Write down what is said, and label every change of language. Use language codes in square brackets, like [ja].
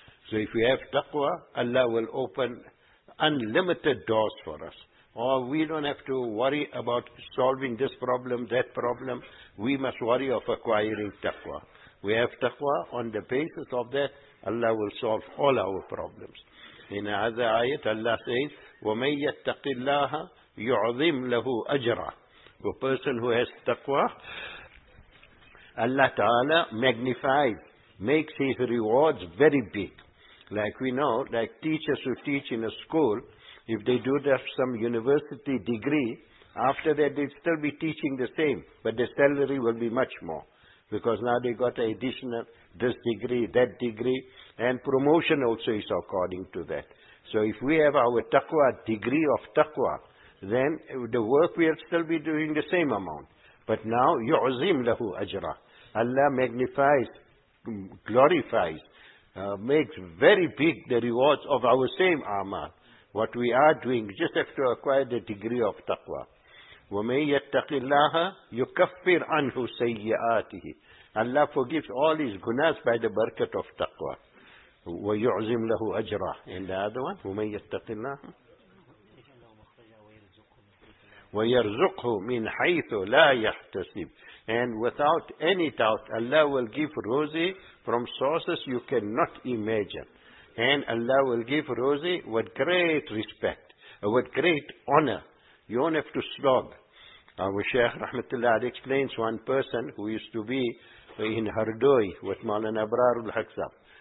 [en] So if we have taqwa, Allah will open unlimited doors for us. Or we don't have to worry about solving this problem, that problem. We must worry of acquiring taqwa. We have taqwa, on the basis of that, Allah will solve all our problems. In another ayat, Allah says, [ar] وَمَنْ يَتَّقِ اللَّهَ يُعْظِمْ لَهُ أَجْرًا. [en] The person who has taqwa, Allah Ta'ala magnifies, makes his rewards very big. Like we know, like teachers who teach in a school, if they do that some university degree, after that they'd still be teaching the same, but the salary will be much more. Because now they got an additional this degree, that degree, and promotion also is according to that. So if we have our taqwa, degree of taqwa, then the work we'll still be doing the same amount. But now, [ar] يُعْزِمْ لَهُ أَجْرًا. [en] Allah magnifies, glorifies, makes very big the rewards of our same amal. What we are doing, just have to acquire the degree of taqwa. [ar] وَمَنْ يَتَّقِ اللَّهَ يُكَفِّرْ عَنْهُ سَيِّئَاتِهِ. [en] Allah forgives all his gunas by the barakat of taqwa. [ar] وَيُعْزِمْ لَهُ أَجْرًا. [en] And the other one, [ar] وَمَنْ يَتَّقِ اللَّهَ وَيَرْزُقْهُ مِنْ حَيْثُ لَا يَحْتَسِبْ. [en] And without any doubt, Allah will give rosy from sources you cannot imagine. And Allah will give rosy with great respect, with great honor. You don't have to slog. Our Shaykh Rahmatullah Ali explains one person who used to be in Hardoi with Maulana Abrarul Haqsab.